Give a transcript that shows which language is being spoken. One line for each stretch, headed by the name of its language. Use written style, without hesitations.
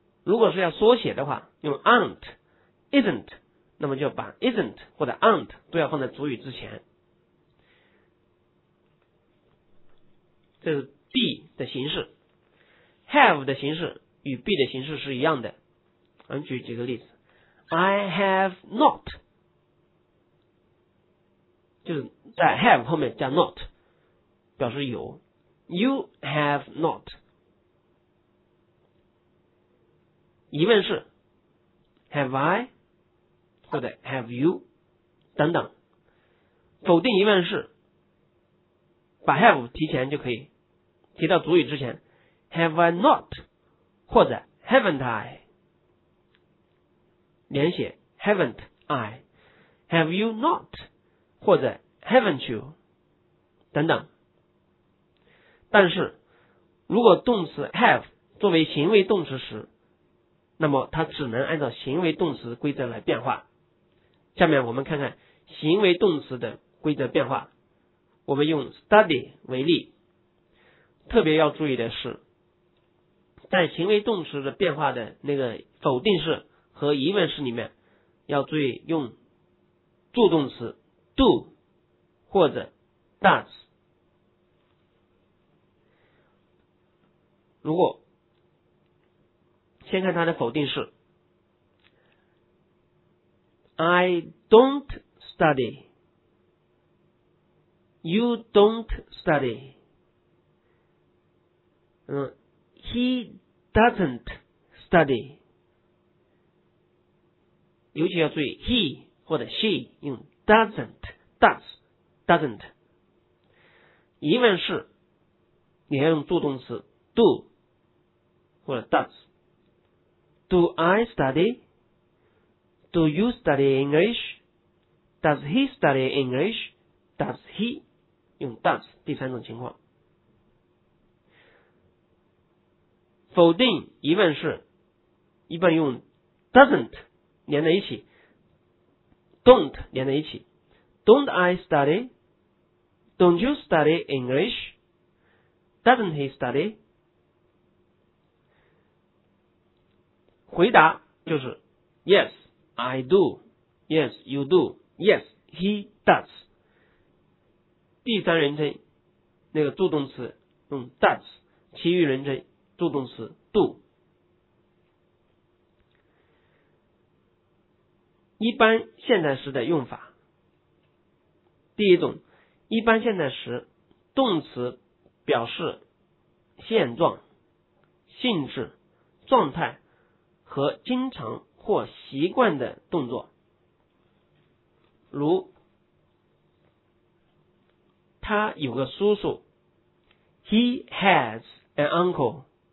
Chinese: 如果是要缩写的话，用 aren't、isn't， 那么就把 isn't 或者 aren't 都要放在主语之前。这是 be 的形式。have 的形式与 be 的形式是一样的。我们举几个例子。
English: I have not，
Chinese: 就是在 have 后面加 not 表示有。
English: You have not，
Chinese: 疑问是
English: Have I 或者 Have you 等等。
Chinese: 否定疑问是把 Have 提前就可以，提到主语之前，
English: Have I not
Chinese: 或者 Haven't I， 连写 Haven't I， Have you not 或者
English: Haven't you
Chinese: 等等。但是如果动词 Have 作为行为动词时，那么它只能按照行为动词规则来变化。下面我们看看行为动词的规则变化。我们用 study 为例。特别要注意的是，在行为动词的变化的那个否定式和疑问式里面，要注意用助动词 do 或者 does。如果先看它的否定式，
English: I don't study， You don't study， He doesn't study。
Chinese: 尤其要注意 he 或者 she 用 doesn't， does doesn't。疑问是你要用助动词 do 或者 does。
English: Do I study? Do you study English? Does he study English? Does he?
Chinese: 用 does 第三种情况。否定疑问是一般用 doesn't 连在一起， don't 连在一起。
English: Don't I study? Don't you study English? Doesn't he study?
Chinese: 回答就是
English: Yes, I do. Yes, you do. Yes, he does.
Chinese: 第三人称那个助动词用 does， 其余人称助动词 do。一般现在时的用法，第一种，一般现在时动词表示现状、性质、状态和经常或习惯的动作，如他有个叔叔
English: He has an uncle。